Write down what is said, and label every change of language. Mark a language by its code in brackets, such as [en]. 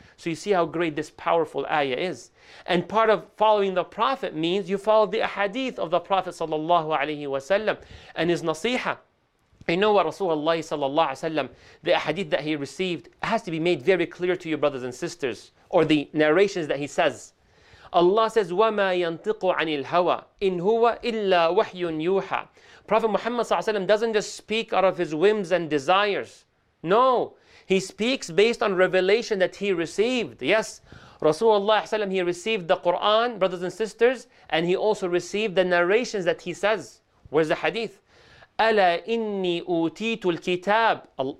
[en] So you see how great this powerful ayah is. And part of following the Prophet means you follow the ahadith of the Prophet sallallahu alayhi wa sallam and his nasiha. You know what, Rasulullah sallallahu alayhi wa sallam, the ahadith that he received has to be made very clear to you, brothers and sisters, or the narrations that he says. Allah says, [ar] وَمَا يَنْطِقُ عَنِ الْهَوَىٰ إِنْ هُوَ إِلَّا وَحْيٌ يُوحَىٰ. [en] Prophet Muhammad ﷺ doesn't just speak out of his whims and desires. No, he speaks based on revelation that he received. Yes, Rasulullah ﷺ, he received the Quran, brothers and sisters, and he also received the narrations that he says. Where's the hadith? [ar] أَلَا إِنِّي أُوتِيتُ الْكِتَابِ.